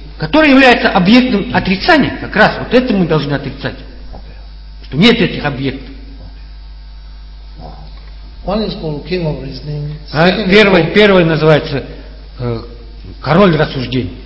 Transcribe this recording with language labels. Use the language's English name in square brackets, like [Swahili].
[Russian] Который является объектом отрицания, как раз вот это мы должны отрицать. Okay. Что нет этих объектов. [English] One is called king of reasoning. [Russian] Первый называется король рассуждений.